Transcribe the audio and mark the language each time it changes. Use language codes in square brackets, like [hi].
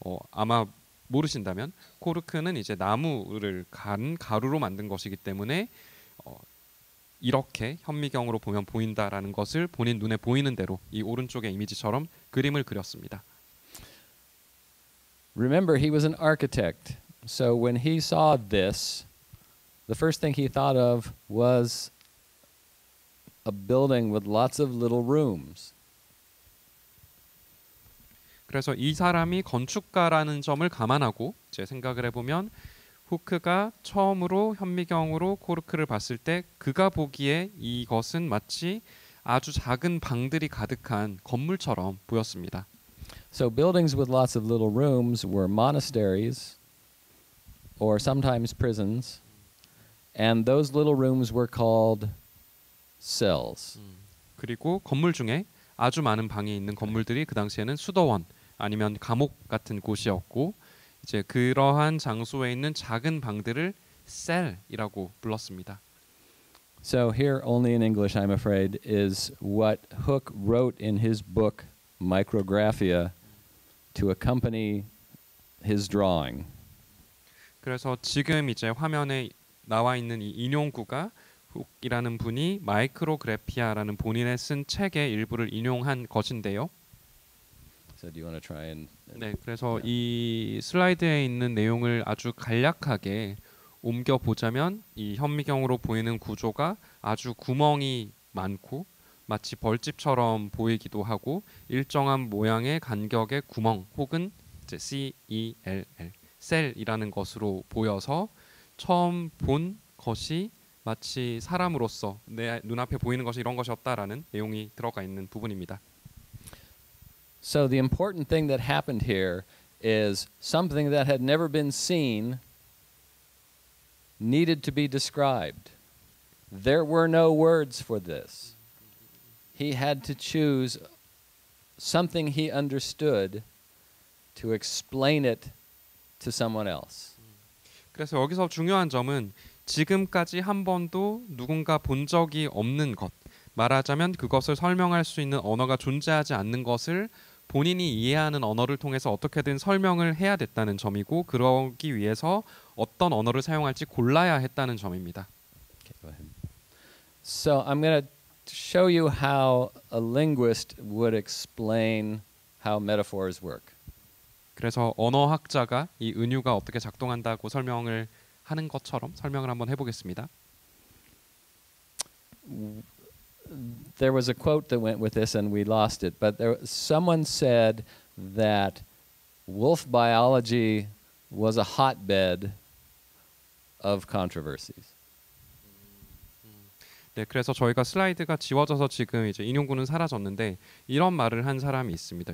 [ko] 아마 모르신다면 코르크는 이제 나무를 간 가루로 만든 것이기 때문에 이렇게 현미경으로 보면 보인다라는 것을 본인 눈에 보이는 대로 이 오른쪽의 이미지처럼 그림을 그렸습니다. [en] Remember, he was an architect. So when he saw this, the first thing he thought of was a building with lots of little rooms. [ko] 그래서 이 사람이 건축가라는 점을 감안하고 이제 생각을 해보면 후크가 처음으로 현미경으로 코르크를 봤을 때 그가 보기에 이것은 마치 아주 작은 방들이 가득한 건물처럼 보였습니다. [en] So buildings with lots of little rooms were monasteries or sometimes prisons and those little rooms were called cells. [ko] 그리고 건물 중에 아주 많은 방이 있는 건물들이 그 당시에는 수도원 아니면 감옥 같은 곳이었고 이제 그러한 장소에 있는 작은 방들을 cell이라고 불렀습니다. [en] So here only in English I'm afraid is what Hooke wrote in his book Micrographia to accompany his drawing. [ko] 그래서 지금 이제 화면에 나와 있는 이 인용구가 훅이라는 분이 마이크로그래피아라는 본인의 쓴 책의 일부를 인용한 것인데요. [en] Do you want to try and [ko] 네, 그래서 yeah. 이 슬라이드에 있는 내용을 아주 간략하게 옮겨 보자면 이 현미경으로 보이는 구조가 아주 구멍이 많고 마치 벌집처럼 보이기도 하고 일정한 모양의 간격의 구멍 혹은 이제 CELL, 셀이라는 것으로 보여서 처음 본 것이 마치 사람으로서 내 눈앞에 보이는 것이 이런 것이었다라는 내용이 들어가 있는 부분입니다. [en] So the important thing that happened here is something that had never been seen needed to be described. There were no words for this. He had to choose something he understood to explain it to someone else. [ko] 그래서 여기서 중요한 점은 지금까지 한 번도 누군가 본 적이 없는 것. 말하자면 그것을 설명할 수 있는 언어가 존재하지 않는 것을 본인이 이해하는 언어를 통해서 어떻게든 설명을 해야 됐다는 점이고 그러기 위해서 어떤 언어를 사용할지 골라야 했다는 점입니다. [en] Okay, go ahead. So I'm going to show you how a linguist would explain how metaphors work. [ko] 그래서 언어학자가 이 은유가 어떻게 작동한다고 설명을 하는 것처럼 설명을 한번 해보겠습니다. [en] There was a quote that went with this and we lost it, but there, someone said that wolf biology was a hotbed of controversies. [ko] 네, 그래서 저희가 슬라이드가 지워져서 지금 이제 인용구는 사라졌는데 이런 말을 한 사람이 있습니다.